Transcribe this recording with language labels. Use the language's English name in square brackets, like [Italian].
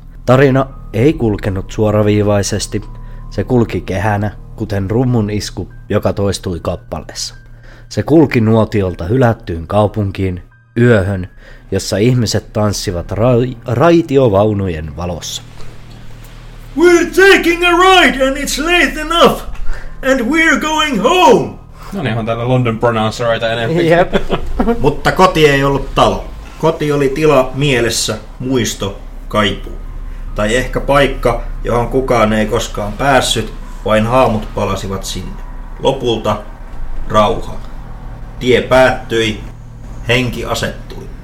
[Finnish] Tarina ei kulkenut suoraviivaisesti. Se kulki kehänä, kuten rummun isku, joka toistui kappaleessa. Se kulki nuotiolta hylättyyn kaupunkiin, yöhön, jossa ihmiset tanssivat raitiovaunujen valossa. [English] We're taking a ride and it's late enough and we're going home! [Finnish] No niin, on täällä London pronounceroita enemmän. [English] Yep. [Finnish] Mutta koti ei ollut talo. Koti oli tila mielessä, muisto, kaipuu. Tai ehkä paikka, johon kukaan ei koskaan päässyt, vain haamut palasivat sinne. Lopulta rauha. Tie päättyi, henki asettui.